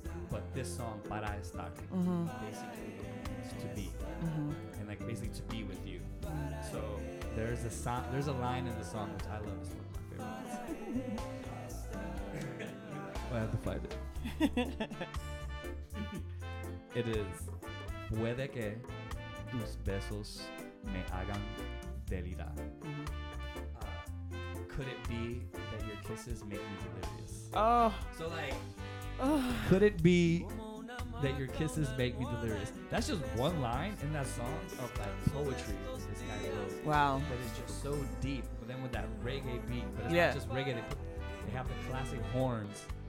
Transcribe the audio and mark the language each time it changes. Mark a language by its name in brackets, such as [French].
[English] But this song, Para Estar, basically means to be. Mm-hmm. And like basically to be with you. So there's a song, there's a line in the song which I love. It's one of my favorite ones. I have to find it. It is, [Spanish] puede que tus besos me hagan delirar. Mm-hmm. [English] Could it be that your kisses make me delirious? Oh. So like, could it be that your kisses make me delirious? That's just one line in that song of like poetry. This guy wrote. Wow. That is just so deep. But then with that reggae beat, but it's not just reggae. They have the classic horns.